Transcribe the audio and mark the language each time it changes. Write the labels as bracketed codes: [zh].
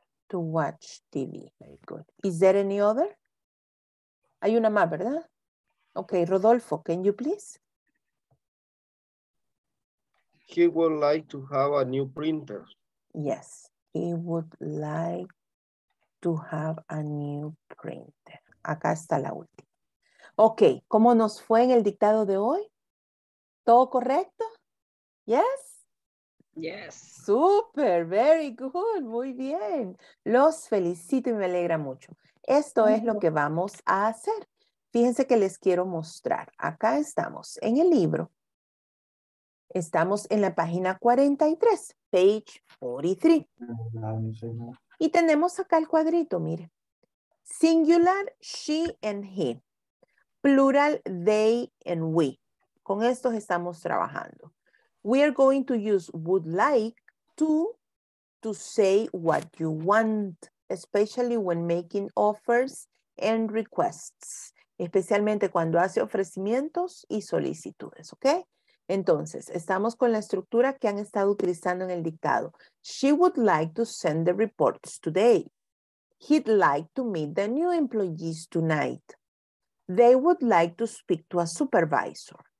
[en] To watch TV. Very good. Is there any other? [es] Hay una más, ¿verdad? [en] Okay, Rodolfo, can you please? He would like to have a new printer. Yes, he would like to have a new printer. [es] Acá está la última. Okay, ¿cómo nos fue en el dictado de hoy? ¿Todo correcto? [en] Yes. Yes. Super, very good, [es] muy bien. Los felicito y me alegra mucho. Esto es lo que vamos a hacer. Fíjense que les quiero mostrar. Acá estamos en el libro. Estamos en la página 43, [en] page 43. [es] Y tenemos acá el cuadrito, mire. [en] Singular, she and he. Plural, they and we. [es] Con estos estamos trabajando. [en] We are going to use would like to say what you want, especially when making offers and requests. [es] Especialmente cuando hace ofrecimientos y solicitudes, ¿ok? Entonces, estamos con la estructura que han estado utilizando en el dictado. [en] She would like to send the reports today. He'd like to meet the new employees tonight. They would like to speak to a supervisor.